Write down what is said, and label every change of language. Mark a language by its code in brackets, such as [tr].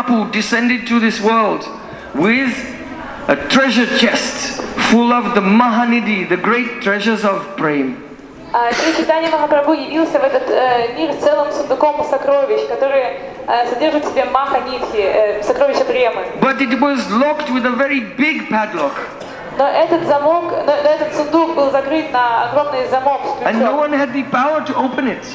[en] Descended to this world with a treasure chest full of the Mahanidhi, the great treasures of Prem. [ru] Шри Чайтанья Махапрабху явился в этот мир целым сундуком сокровищ, которые содержат в себе Маханидхи, сокровища Премы. [en] But it was locked with a very big padlock. [ru] Но этот замок, этот сундук был закрыт на огромный замок. [en] And no one had the power to open it.